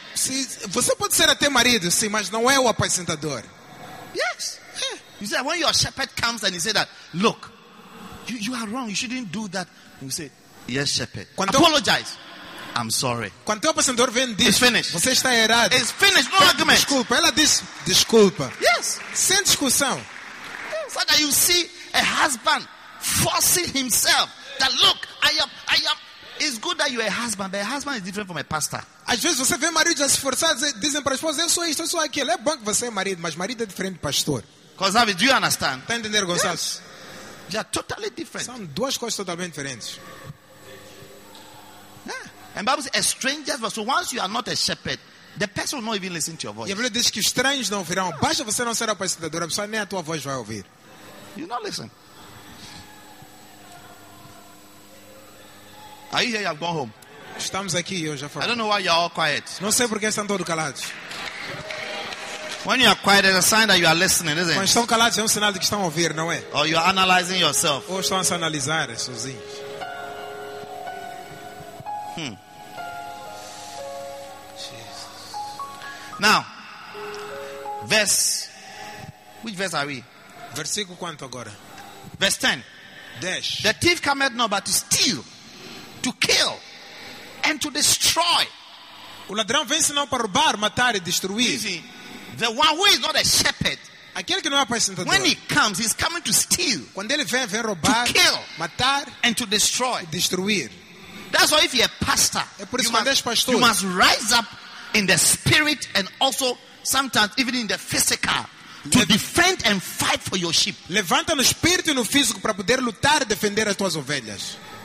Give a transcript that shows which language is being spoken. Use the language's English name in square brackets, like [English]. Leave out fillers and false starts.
[Portuguese] Você pode ser até marido, sim, mas não é o apacentador. [English] Yes. You say when your shepherd comes and he say that, look, you are wrong. You shouldn't do that. You say, yes, shepherd. Apologize. I'm sorry. [Portuguese] Quando teu apacentador vem diz, [English] it's finished. [Portuguese] Você está errado. [English] It's finished. No argument. [Portuguese] Desculpa. Ela diz, desculpa. [English] Yes. [Portuguese] Sem discussão. [English] So that you see a husband forcing himself that look, I am. It's good that you are a husband, but a husband is different from a pastor. [Portuguese] Às vezes você vê marido já se forçar, dizem para a esposa, eu sou isso, eu sou aquilo. É bom que você é marido, mas marido é diferente do pastor. [English] Gonzalo, do you understand? [Portuguese] Está entendendo, Gonzalo? [English] Yes. They are totally different. [Portuguese] São duas coisas totalmente diferentes. [English] Yeah. And Bible says, a stranger's voice. So once you are not a shepherd, the person will not even listen to your voice. [Portuguese] E a Bíblia diz que os estranhos não ouvirão. Basta você não ser o pastor, a pessoa nem a tua voz vai ouvir. [English] You not listen. Are you here? You have gone home. [Portuguese] Estamos aqui, eu já falei. [English] I don't know why you are all quiet. [Portuguese] Não sei porque estão todos calados. [English] When you are quiet, it's a sign that you are listening, isn't it? [Portuguese] Quando estão calados é um sinal de que estão a ouvir, não é? [English] Or you are analyzing yourself. [Portuguese] Ou estão a se analisar sozinhos. [English] Now, which verse are we? [Portuguese] Versículo quanto agora? [English] Verse 10. [Portuguese] Dez. [English] The thief cometh not but to steal, to kill, and to destroy. [Portuguese] O ladrão vem senão para roubar, matar e destruir. [English] The one who is not a shepherd. [Portuguese] Aquele que não é apacentador. [English] When he comes, he's coming to steal. [Portuguese] Quando ele vem, vem roubar, [English] to kill, [Portuguese] matar, [English] and to destroy. [Portuguese] Destruir. [English] That's why if you're a pastor, [Portuguese] é por isso que és pastor, [English] you must rise up in the spirit and also sometimes even in the physical to defend and fight for your sheep. [Portuguese] Levanta no espírito e no físico para poder lutar e defender as tuas ovelhas.